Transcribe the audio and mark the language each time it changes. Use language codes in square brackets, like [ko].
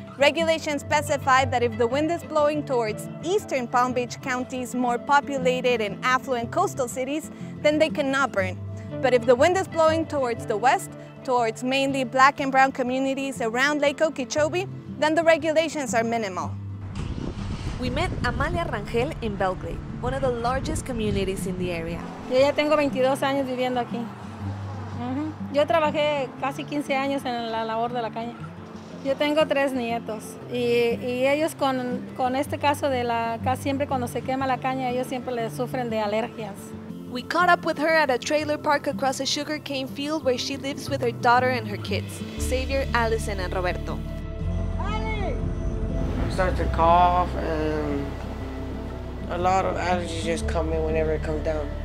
[en] Regulations specify that if the wind is blowing towards eastern Palm Beach County's more populated and affluent coastal cities, then they cannot burn. But if the wind is blowing towards the west, towards mainly black and brown communities around Lake Okeechobee, then the regulations are minimal. We met Amalia Rangel in Belgrade, one of the largest communities in the area. [es] Yo ya tengo 22 años viviendo aquí. Yo trabajé casi 15 años en la labor de la caña. Yo tengo tres nietos y ellos con este caso de la caña, siempre cuando se quema la caña, ellos siempre les sufren de alergias. [en] We caught up with her at a trailer park across a sugarcane field where she lives with her daughter and her kids, Xavier, Allison, and Roberto. I start to cough and a lot of allergies just come in whenever it comes down.